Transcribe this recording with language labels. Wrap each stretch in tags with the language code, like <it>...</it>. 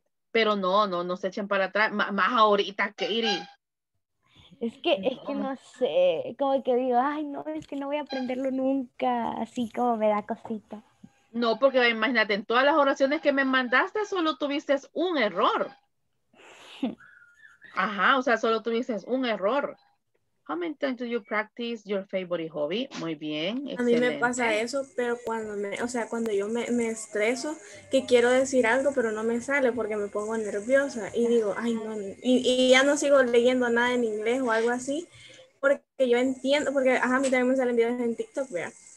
<es>Pero no se echen para atrás. Más ahorita, Katie. Es que no sé. Como que digo, ay, no, es que no voy a aprenderlo nunca. Así como me da cosita. No, porque imagínate, en todas las oraciones que me mandaste, solo tuviste un error. Ajá, o sea, solo tuviste un error.</es> <en>How many times do you practice your favorite hobby?</en> <es>Muy bien, excelente. A mí me pasa eso, pero cuando yo me estreso, que quiero decir algo, pero no me sale porque me pongo nerviosa y digo, ay, no, y ya no sigo leyendo nada en inglés o algo así, porque yo entiendo, porque ajá, a mí también me salen videos en TikTok, ¿verdad?</es>